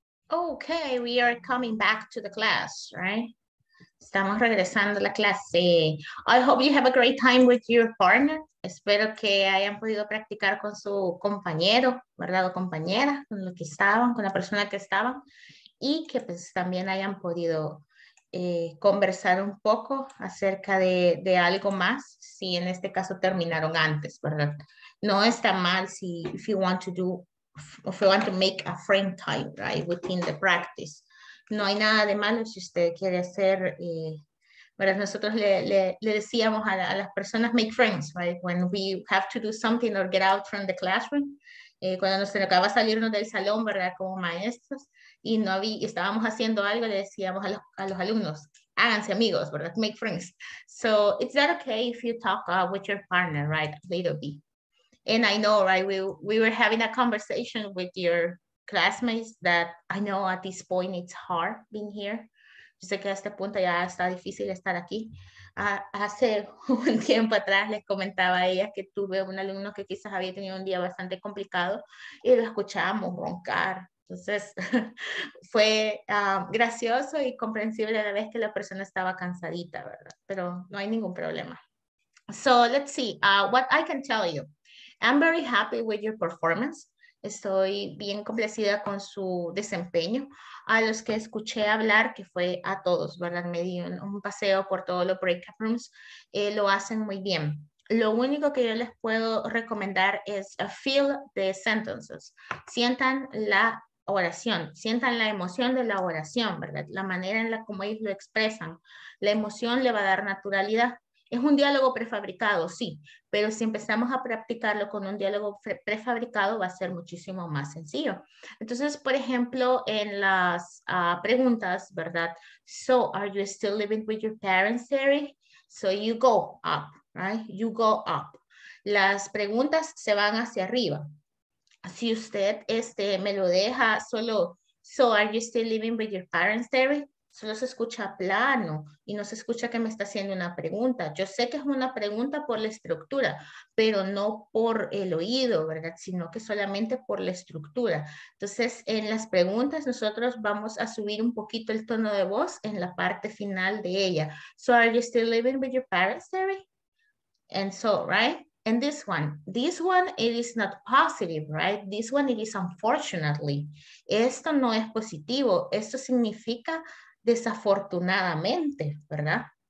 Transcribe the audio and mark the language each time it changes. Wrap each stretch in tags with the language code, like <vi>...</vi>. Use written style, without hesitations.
<en>Okay, we are coming back to the class, right?</en> <es>Estamos regresando a la clase.</es> <en>I hope you have a great time with your partner.</en> <es>Espero que hayan podido practicar con su compañero, ¿verdad? O compañera, con lo que estaban, con la persona que estaban. Y que pues también hayan podido conversar un poco acerca de algo más, si en este caso terminaron antes, ¿verdad? No está mal si</es> <en>if you want to make a frame time, right, within the practice.</en> <es>No hay nada de malo si usted quiere hacer, ¿verdad? Nosotros le decíamos a las personas,</es> <en>make friends,</en> <es>right, when we have to do something or get out from the classroom, cuando nos acaba salirnos del salón, ¿verdad?, como maestros, y no había, estábamos haciendo algo, le decíamos a los alumnos, háganse amigos, ¿verdad?, make friends.</es> <en>So, is that okay if you talk with your partner, right, a little bit? And I know, right, we were having a conversation with your classmates that I know at this point it's hard being here.</en> <es>Yo sé que a este punto ya está difícil estar aquí. Hace un tiempo atrás les comentaba a ellas que tuve un alumno que quizás había tenido un día bastante complicado y lo escuchábamos roncar. Entonces, fue gracioso y comprensible a la vez que la persona estaba cansadita, ¿verdad? Pero no hay ningún problema.</es> <en>So, let's see what I can tell you. I'm very happy with your performance.</en> <es>Estoy bien complacida con su desempeño. A los que escuché hablar, que fue a todos, ¿verdad? Me di un paseo por todos los breakout rooms. Lo hacen muy bien. Lo único que yo les puedo recomendar es</es> <en>feel the sentences.</en> <es>Sientan la oración, sientan la emoción de la oración, ¿verdad? La manera en la como ellos lo expresan. La emoción le va a dar naturalidad. Es un diálogo prefabricado, sí, pero si empezamos a practicarlo con un diálogo prefabricado va a ser muchísimo más sencillo. Entonces, por ejemplo, en las preguntas, ¿verdad?</es> <en>So, are you still living with your parents, Terry? So, you go up, right? You go up.</en> <es>Las preguntas se van hacia arriba. Si usted me lo deja solo,</es> <en>so, are you still living with your parents, Terry?</en> <es>Solo se escucha plano y no se escucha que me está haciendo una pregunta. Yo sé que es una pregunta por la estructura, pero no por el oído, ¿verdad? Sino que solamente por la estructura. Entonces, en las preguntas, nosotros vamos a subir un poquito el tono de voz en la parte final de ella.</es> <en>So, are you still living with your parents, Terry? And so, right? And this one, it is not positive, right? This one, it is unfortunately.</en> <es>Esto no es positivo. Esto significa desafortunadamente, ¿verdad?</es>